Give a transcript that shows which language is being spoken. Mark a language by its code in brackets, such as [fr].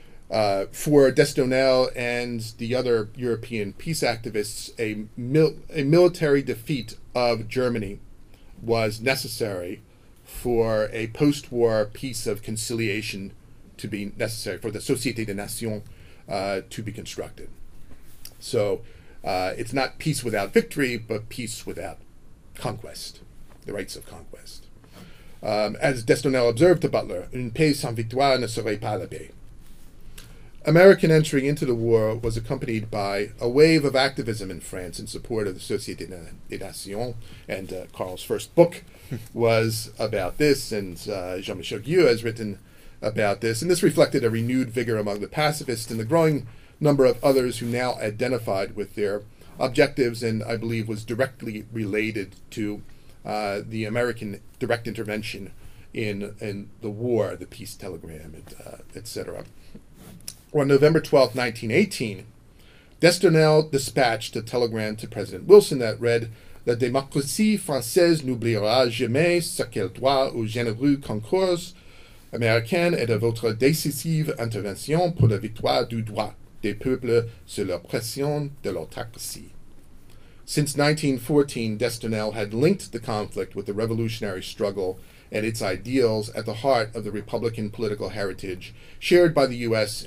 [en] For Destenel and the other European peace activists, a military defeat of Germany was necessary for a post-war peace of conciliation to be necessary, for the Société des Nations to be constructed. So it's not peace without victory, but peace without conquest, the rights of conquest. As Destenel observed to Butler, [fr] une paix sans victoire ne serait pas la paix. [en] American entry into the war was accompanied by a wave of activism in France in support of the Société des Nations, and Carl's first book was about this, and Jean-Michel Guieux has written about this, and this reflected a renewed vigor among the pacifists and the growing number of others who now identified with their objectives, and I believe was directly related to the American direct intervention in the war, the peace telegram, et cetera. On November 12, 1918, Destenel dispatched a telegram to President Wilson that read, [fr] La démocratie française n'oubliera jamais ce qu'elle doit au généreux concours américain et de votre décisive intervention pour la victoire du droit des peuples sur l'oppression de l'autocratie. [en] Since 1914, Destenel had linked the conflict with the revolutionary struggle and its ideals at the heart of the Republican political heritage shared by the U.S.